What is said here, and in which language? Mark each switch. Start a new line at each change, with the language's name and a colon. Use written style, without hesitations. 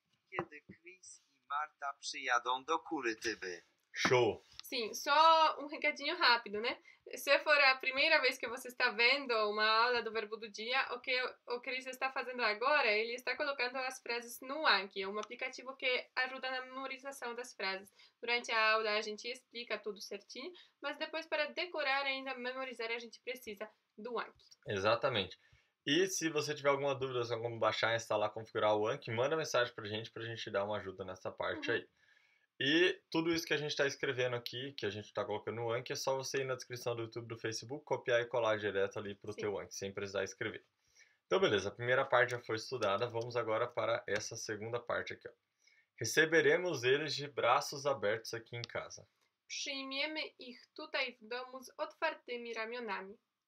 Polish: Kiedy Chris e Marta przyjadą do Curitiba.
Portuguese: Show! Sim, só um recadinho rápido, né? Se for a primeira vez que você está vendo uma aula do Verbo do Dia, o que o Chris está fazendo agora, ele está colocando as frases no Anki, um aplicativo que ajuda na memorização das frases. Durante a aula a gente explica tudo certinho, mas depois para decorar e ainda memorizar a gente precisa do Anki. Exatamente. E se você tiver alguma dúvida sobre como baixar, instalar, configurar o Anki, manda mensagem para a gente dar uma ajuda nessa parte aí. E tudo isso que a gente está escrevendo aqui, que a gente está colocando no Anki, é só você ir na descrição do YouTube, do Facebook, copiar e colar direto ali para o teu Anki, sem precisar escrever. Então, beleza, a primeira parte já foi estudada, vamos agora para essa segunda parte aqui. Ó. Receberemos eles de braços abertos aqui em casa.
Polish: Przyjmiemy ich tutaj w domu z otwartymi ramionami.